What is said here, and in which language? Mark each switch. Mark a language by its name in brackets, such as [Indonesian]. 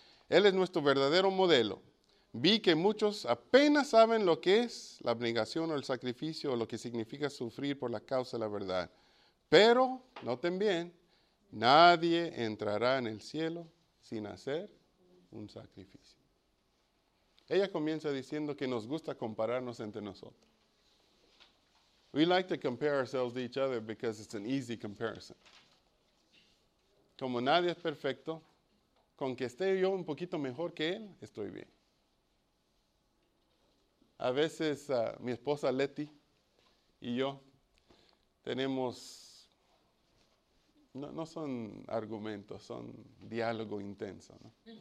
[Spanish] Él es nuestro verdadero modelo. Vi que muchos apenas saben lo que es la abnegación o el sacrificio o lo que significa sufrir por la causa de la verdad. Pero, noten bien, nadie entrará en el cielo sin hacer un sacrificio. Ella comienza diciendo que nos gusta compararnos entre nosotros. [English] We like to compare ourselves to each other because it's an easy comparison. [Spanish] Como nadie es perfecto, con que esté yo un poquito mejor que él, estoy bien. A veces mi esposa Leti y yo tenemos, no son argumentos, son diálogo intenso, ¿no?